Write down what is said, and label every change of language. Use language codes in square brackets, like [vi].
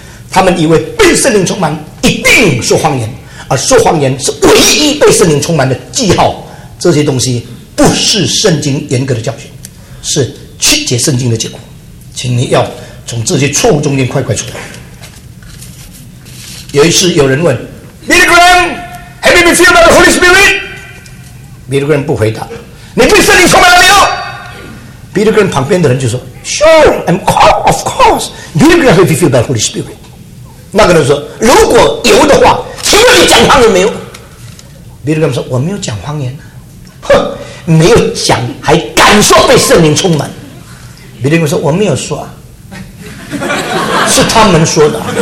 [zh] 他们以为被圣灵充满一定说方言，而说方言是唯一被圣灵充满的记号。这些东西不是圣经严格的教训，是曲解圣经的结果。请你要从这些错误中间快快出来。有一次有人问 Billy Graham, [en] Have you been filled by the Holy Spirit? [zh] Billy Graham 不回答。你被圣灵充满了没有？ Billy Graham 旁边的人就说 [en] Sure, I'm called, of course. Billy Graham, Have you filled by the Holy Spirit? [zh] 那个人说，如果有的话，请问你讲方言没有？ Billy Graham 说，我没有讲方言。哼，没有讲还敢说被圣灵充满？ Billy Graham 说，我没有说啊，是他们说的。